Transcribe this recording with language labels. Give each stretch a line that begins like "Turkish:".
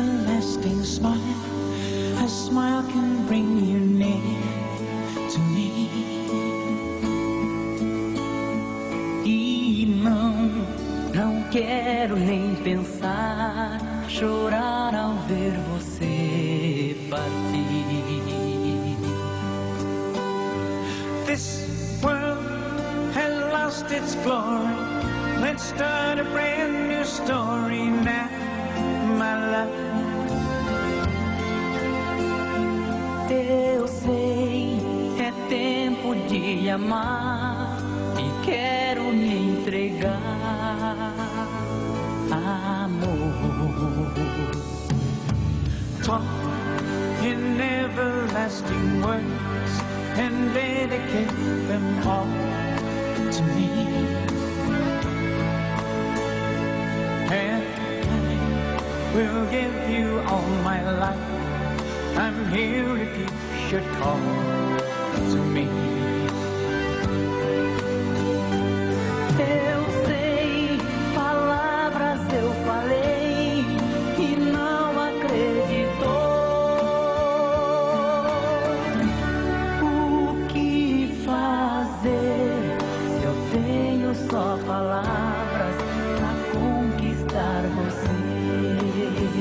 English: a smile can bring you near to me.
Portuguese: E não, não quero nem pensar, chorar ao ver você partir.
English: This world has lost its glory. Let's start a brand new story now, my love.
Portuguese: Eu sei, é tempo de amar. E quero me entregar, amor.
English: Talk in everlasting words and dedicate them all to me. And I will give you all my life. I'm here if you should call to me.
Portuguese: Eu sei, palavras eu falei e não acreditou. O que fazer se eu tenho só palavras pra conquistar você?